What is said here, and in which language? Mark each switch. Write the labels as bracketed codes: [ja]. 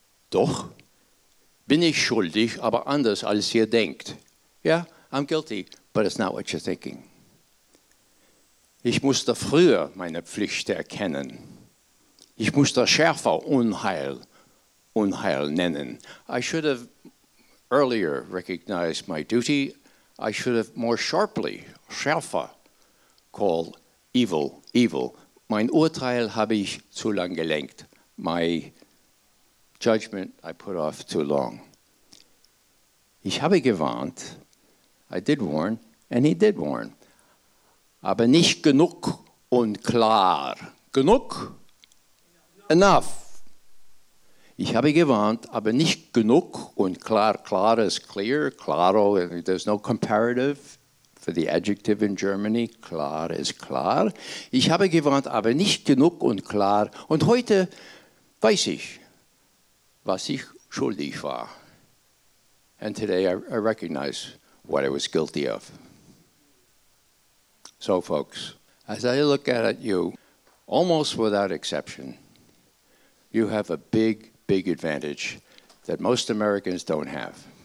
[de] Doch bin ich schuldig, aber anders als ihr denkt. [en] Yeah, I'm guilty, but it's not what you're thinking. [de] Ich musste früher meine Pflicht erkennen. Ich musste schärfer Unheil nennen. [en] I should have earlier recognized my duty. I should have more sharply, schärfer, called evil, evil. [de] Mein Urteil habe ich zu lang gelenkt. [en] My judgment I put off too long. [de] Ich habe gewarnt. [en] I did warn, and he did warn. [de] Aber nicht genug und klar. Genug? Enough. Ich habe gewarnt, aber nicht genug und klar. [en] Klar is clear. Claro, there's no comparative for the adjective in Germany, [de] klar ist klar. Ich habe gewarnt, aber nicht genug und klar. Und heute weiß ich, was ich schuldig war. [en] And today I recognize what I was guilty of. So, folks, as I look at it, you, almost without exception, you have a big, big advantage that most Americans don't have.